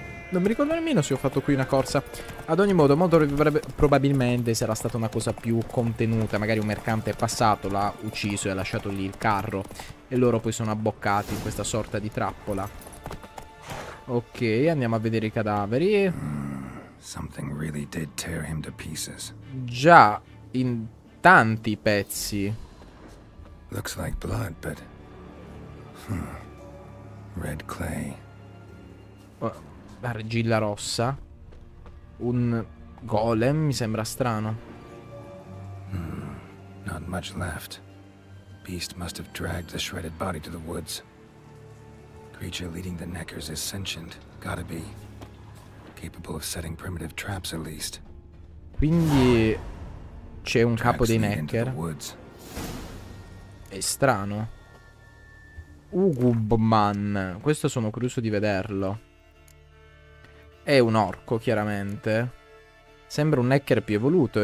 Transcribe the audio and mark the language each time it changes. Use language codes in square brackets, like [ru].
[it] Non mi ricordo nemmeno se ho fatto qui una corsa. Ad ogni modo, molto probabilmente sarà stata una cosa più contenuta. Magari un mercante è passato, l'ha ucciso e ha lasciato lì il carro e loro poi sono abboccati in questa sorta di trappola. Ok, andiamo a vedere i cadaveri. [en] Something really did tear him to pieces. [it] Già in tanti pezzi. [en] Looks like blood, but red clay. [it] Argilla rossa. Un golem, mi sembra strano. [en] Not much left. Beast must have dragged the shredded body to the woods. Creature leading the Neckers is sentient, gotta be. Capable of setting primitive traps at least. [it] Quindi c'è un capo dei Necker. È strano. Ugubman, questo sono curioso di vederlo. È un orco, chiaramente. Sembra un Necker più evoluto.